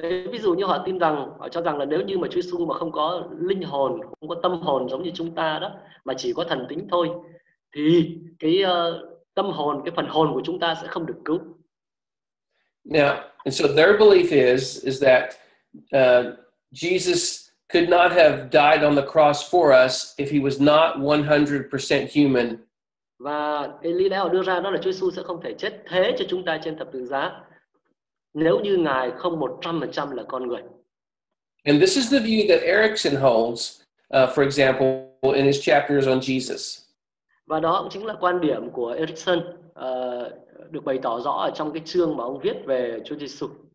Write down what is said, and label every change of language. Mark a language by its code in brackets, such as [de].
[vi] Ví dụ như họ tin rằng, họ cho rằng là nếu như mà Chúa Giêsu mà không có linh hồn, không có tâm hồn giống như chúng ta đó, mà chỉ có thần tính thôi, thì cái tâm hồn, cái phần hồn của chúng ta sẽ không được cứu. [en] Now, and so their belief is that Jesus could not have died on the cross for us if he was not 100% human. [vi] Và cái lý lẽ họ đưa ra đó là Chúa Giêsu sẽ không thể chết thế cho chúng ta trên thập tự giá nếu như ngài không 100% là con người. [en] And this is the view that Erickson holds, for example, in his chapters on Jesus. [vi] Và đó cũng chính là quan điểm của Erickson, được bày tỏ rõ ở trong cái chương mà ông viết về Chúa Giêsu.